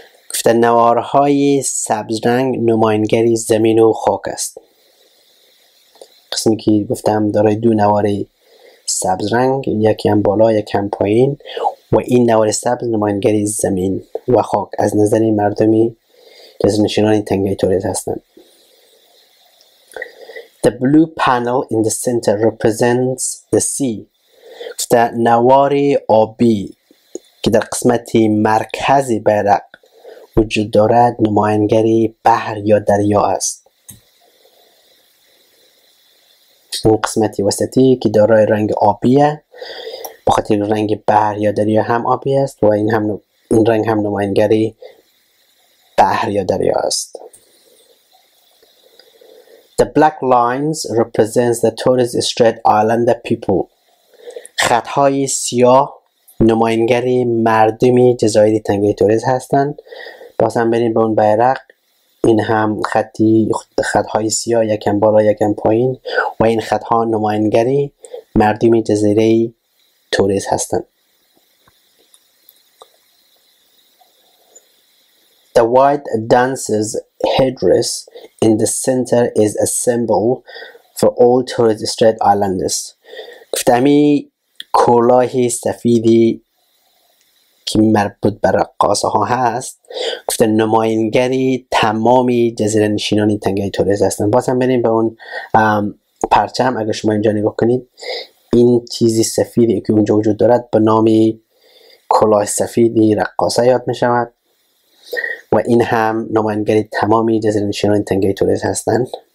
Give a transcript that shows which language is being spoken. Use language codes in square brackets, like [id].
[fa] گفته نوارهای سبز رنگ نماینگری زمین و خاک است. قسمی که گفتم دارای دو نواره سبز رنگ، یکی هم بالا یکی هم پایین و این نوار سبز نمایانگری زمین و خاک از نظر مردمی جز نشینان تنگه تولید هستند. [en] The blue panel in the center represents the sea. [fa] گفته نوار آبی که در قسمت مرکزی بیرق وجود دارد نمایانگری بحر یا دریا است. اون قسمت وسطی که دارای رنگ آبیه بخاطر رنگ بحر یا دریا هم آبی است و این هم این رنگ هم نمایانگری بحر یا دریا است. [en] The black lines represents the tourist strait island people. [fa] خطهای سیاه نماینگری مردمی جزایر تنگه توریز هستند. باز هم بریم به اون بیرق، این هم خطی خطهای سیاه، یکم بالا یکم پایین، و این خطها نماینگری مردمی جزیره توریز هستند. [en] The white dancer's headdress in the center is a symbol for all tourist strait islanders. [fa] گفتمی کلاه سفیدی که مربوط به رقاصه ها هست گفته نماینگری تمام جزیره نشینان تنگه توریز هستن. باز هم بریم به اون پرچم. اگر شما اینجا نگاه کنید، این چیزی سفیدی که اونجا وجود دارد به نام کلاه سفیدی رقاصه یاد می شود و این هم نماینگری تمام جزیره نشینان تنگه توریز هستن.